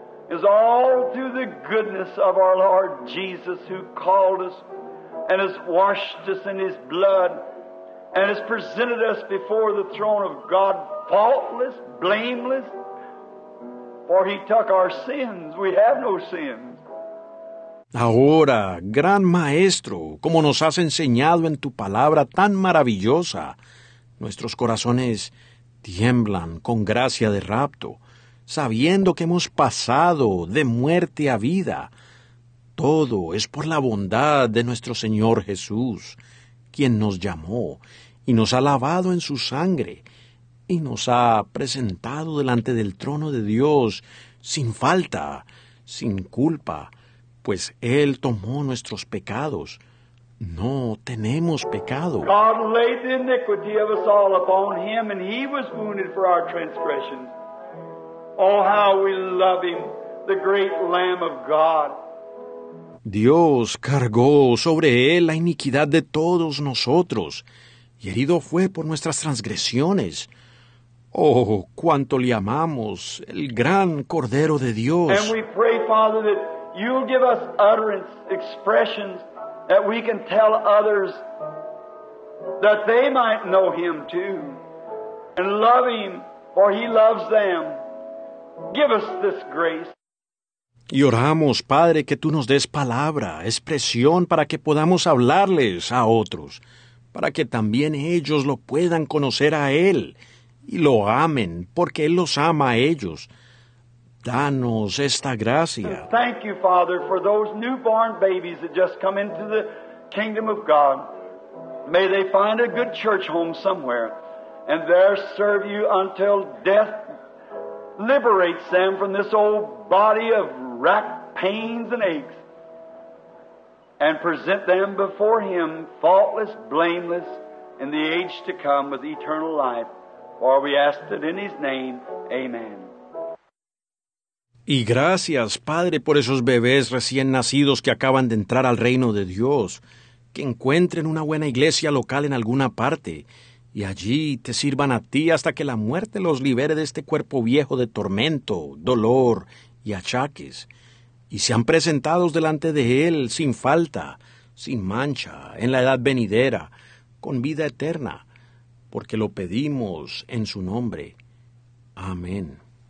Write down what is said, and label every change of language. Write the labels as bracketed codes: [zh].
[en] It's all through the goodness of our Lord Jesus, who called us and has washed us in his blood and has presented us before the throne of God faultless, blameless. For he took our sins. We have no sins. [es] Ahora, gran Maestro, como nos has enseñado en tu palabra tan maravillosa, nuestros corazones tiemblan con gracia de rapto, sabiendo que hemos pasado de muerte a vida. Todo es por la bondad de nuestro Señor Jesús, quien nos llamó y nos ha lavado en su sangre, y nos ha presentado delante del trono de Dios sin falta, sin culpa, pues Él tomó nuestros pecados. No tenemos pecado. [en] God laid the iniquity of us all upon Him, and He was wounded for our transgressions. Oh, how we love Him, the great Lamb of God. [es] Dios cargó sobre Él la iniquidad de todos nosotros, y herido fue por nuestras transgresiones. Oh, cuánto le amamos, el gran Cordero de Dios. [en] And we pray, Father, that you'll give us utterance, expressions, that we can tell others that they might know Him too and love Him, for He loves them. Give us this grace. [es] Y oramos, Padre, que tú nos des palabra, expresión, para que podamos hablarles a otros, para que también ellos lo puedan conocer a Él y lo amen, porque Él los ama a ellos. Danos esta gracia. [en] Thank you, Father, for those newborn babies that just come into the kingdom of God. May they find a good church home somewhere, and there serve you until death liberates them from this old body of racked pains and aches, and present them before Him faultless, blameless, in the age to come with eternal life. For we ask it in His name. Amen. [es] Y gracias, Padre, por esos bebés recién nacidos que acaban de entrar al reino de Dios, que encuentren una buena iglesia local en alguna parte, y allí te sirvan a ti hasta que la muerte los libere de este cuerpo viejo de tormento, dolor y achaques, y sean presentados delante de Él sin falta, sin mancha, en la edad venidera, con vida eterna, porque lo pedimos en su nombre. Amén.